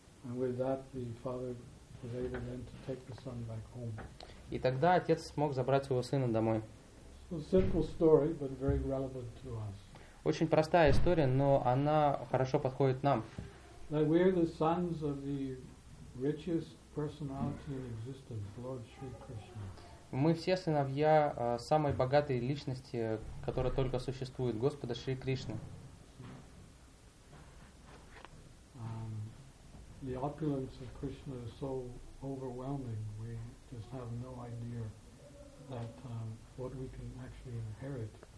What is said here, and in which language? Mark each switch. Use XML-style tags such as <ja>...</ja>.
<en>And with that, the father was able then to take the son back home.</en> <ru>И тогда отец смог забрать своего сына домой.</ru> <en>So simple story, but very relevant to us.</en> <ru>Очень простая история, но она хорошо подходит нам.</ru> <en>That we are the sons of the richest personality in existence, Lord Shri Krishna.</en> <ru>Мы все сыновья самой богатой личности, которая только существует, Господа Шри Кришны.</ru> <en>The opulence of Krishna is so overwhelming, we just have no idea that what we can actually inherit.</en>